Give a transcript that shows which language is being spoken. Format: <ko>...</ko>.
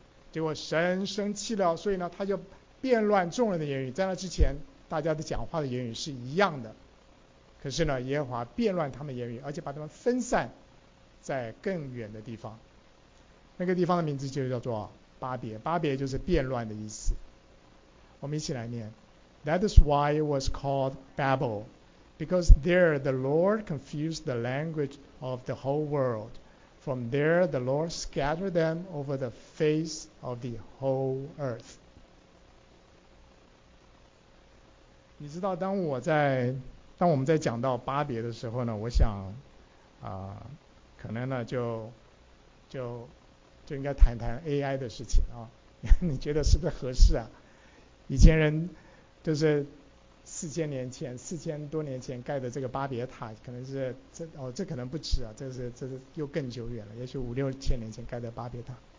<zh>结果神生气了，所以呢，他就变乱众人的言语。在那之前，大家的讲话的言语是一样的，可是呢，耶和华变乱他们言语，而且把他们分散在更远的地方。那个地方的名字就叫做巴别，巴别就是变乱的意思。</zh> <en>我们一起来念 ：That is why it was called Babel, because there the Lord confused the language of the whole world. From there the Lord scattered them over the face of the whole earth.</en> <zh>你知道，当我们在讲到巴别的时候呢，我想，可能呢就应该谈谈 AI 的事情啊，你觉得是不是合适啊？以前人就是4000多年前盖的这个巴别塔，可能是这可能不止啊，这是又更久远了，也许5000-6000年前盖的巴别塔。</zh>